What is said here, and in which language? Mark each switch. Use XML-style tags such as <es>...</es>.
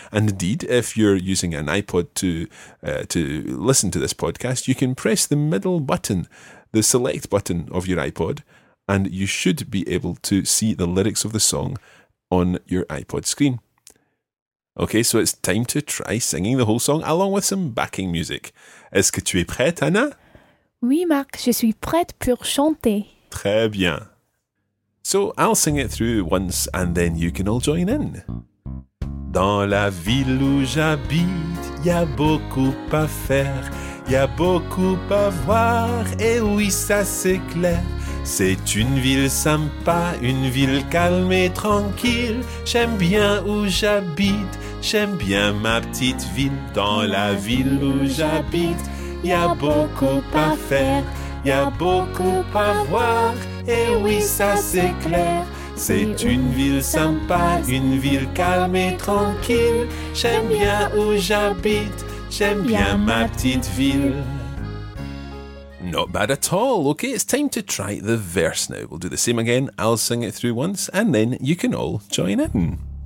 <en>And indeed, if you're using an iPod to listen to this podcast, you can press the middle button, the select button of your iPod, and you should be able to see the lyrics of the song on your iPod screen. Okay, so it's time to try singing the whole song along with some backing music.</en> <fr>Est-ce que tu es prête, Anna? Oui, Marc, je suis prête pour chanter. Très bien.</fr> <en>So I'll sing it through once and then you can all join in.</en> <fr>Dans la ville où j'habite, y a beaucoup à faire, y a beaucoup à voir, et oui, ça c'est clair. C'est une ville sympa, une ville calme et tranquille. J'aime bien où j'habite, j'aime bien ma petite ville. Dans la ville où j'habite, y a beaucoup à faire, y a beaucoup à voir, et oui, ça c'est clair. C'est une ville sympa, une ville calme et tranquille. J'aime bien où j'habite, j'aime bien ma petite ville.</fr> <en>Not bad at all. Okay, it's time to try the verse now. We'll do the same again. I'll sing it through once and then you can all join in.</en>